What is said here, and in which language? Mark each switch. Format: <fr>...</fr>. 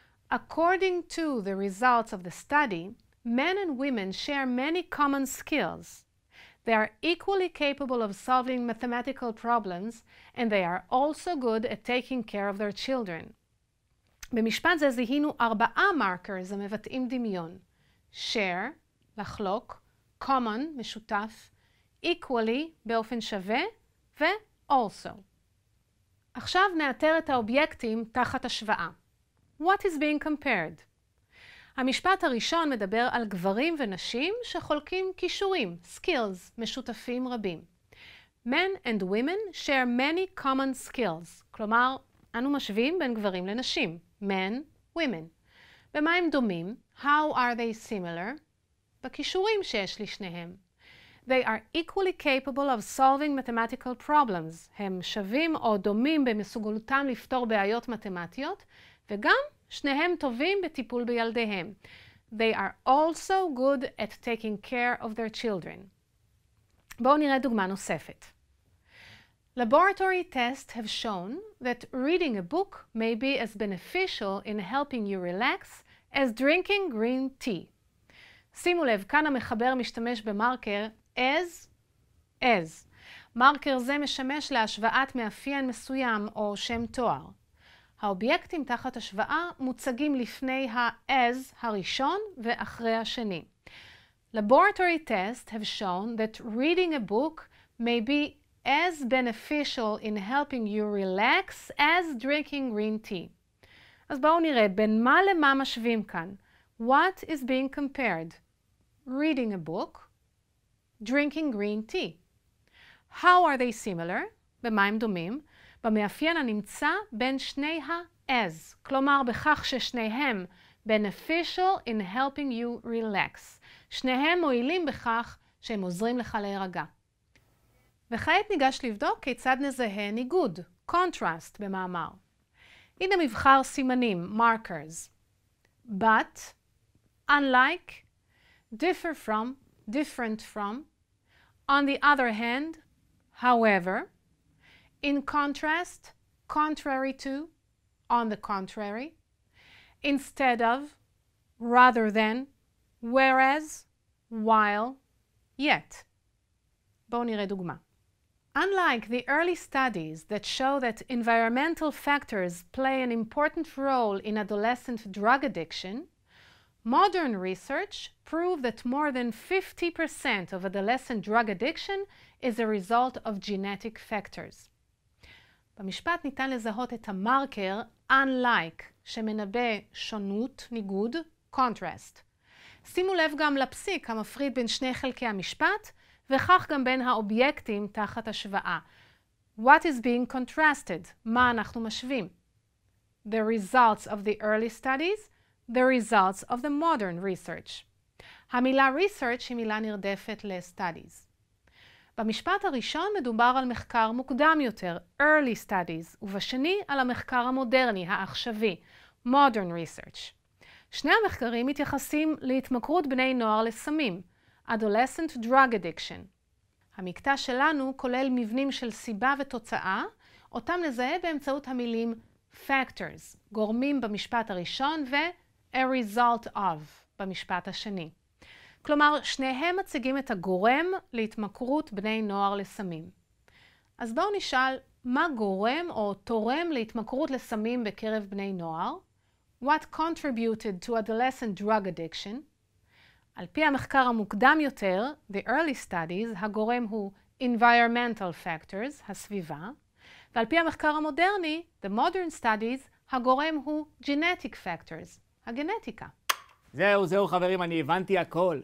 <en>According to the results of the study, men and women share many common skills. They are equally capable of solving mathematical problems, and they are also good at taking care of their children.</en> <he>במשפט זה זיהינו ארבעה markers המבטאים דמיון.</he> <en>Share,</en> <he>לחלוק,</he> <en>common,</en> <he>משותף,</he> <en>equally,</en> <he>באופן שווה, ו-also. עכשיו נאתר את האובייקטים תחת השוואה.</he> <en>What is being compared?</en> <he>המשפט הראשון מדבר על גברים ונשים שחולקים כישורים, skills, משותפים רבים.</he> <en>Men and women share many common skills,</en> <he>כלומר, אנו משווים בין גברים לנשים, men, women. במה הם דומים?</he> <en>How are they similar?</en> <he>בכישורים שיש לשניהם.</he> <en>They are equally capable of solving mathematical problems.</en> <he>הם שווים או דומים במסוגלותם לפתור בעיות מתמטיות, וגם שניהם טובים בטיפול בילדיהם.</he> <en>They are also good at taking care of their children.</en> <he>בואו נראה דוגמה נוספת.</he> <en>Laboratory tests have shown that reading a book may be as beneficial in helping you relax as drinking green tea.</en> <he>שימו לב, כאן המחבר משתמש במרקר as, as. מרקר זה משמש להשוואת מאפיין מסוים או שם תואר. האובייקטים תחת השוואה מוצגים לפני ה-as הראשון ואחרי השני.</he> <en>Laboratory tests have shown that reading a book may be as beneficial in helping you relax as drinking green tea.</en> <he>אז בואו נראה, בין מה למה משווים כאן?</he> <en>What is being compared? Reading a book, drinking green tea. How are they similar?</en> <he>במה הם דומים? במאפיין הנמצא בין שני ה-as, כלומר בכך ששניהם</he> <en>beneficial in helping you relax.</en> <he>שניהם מועילים בכך שהם עוזרים לך להירגע. וכעת ניגש לבדוק כיצד נזהה ניגוד, contrast במאמר. הנה מבחר סימנים, markers.</he> <en>But, unlike, differ from, different from, on the other hand, however, in contrast, contrary to, on the contrary, instead of, rather than, whereas, while, yet.</en> <he>בואו נראה דוגמה.</he> <en>Unlike the early studies that show that environmental factors play an important role in adolescent drug addiction, modern research proves that more than 50% of adolescent drug addiction is a result of genetic factors.</en> <he>במשפט ניתן לזהות את המרקר unlike, שמנבא שונות, ניגוד, contrast. שימו לב גם לפסיק המפריד בין שני חלקי המשפט, וכך גם בין האובייקטים תחת השוואה.</he> <en>What is being contrasted?</en> <he>מה אנחנו משווים?</he> <en>The results of the early studies, the results of the modern research.</en> <he>המילה research היא מילה נרדפת ל-studies. במשפט הראשון מדובר על מחקר מוקדם יותר,</he> <en>early studies,</en> <he>ובשני על המחקר המודרני, העכשווי,</he> <en>modern research.</en> <he>שני המחקרים מתייחסים להתמכרות בני נוער לסמים,</he> <en>adolescent drug addiction.</en> <he>המקטע שלנו כולל מבנים של סיבה ותוצאה, אותם נזהה באמצעות המילים factors, גורמים במשפט הראשון, ו-</he> <en>a result of</en> <he>במשפט השני. כלומר, שניהם מציגים את הגורם להתמכרות בני נוער לסמים. אז בואו נשאל, מה גורם או תורם להתמכרות לסמים בקרב בני נוער?</he> <en>What contributed to adolescent drug addiction?</en> <he>על פי המחקר המוקדם יותר,</he> <en>the early studies,</en> <he>הגורם הוא</he> <en>environmental factors,</en> <he>הסביבה, ועל פי המחקר המודרני,</he> <en>the modern studies,</en> <he>הגורם הוא</he> <en>genetic factors,</en> <he>הגנטיקה. זהו, חברים, אני הבנתי הכל.</he>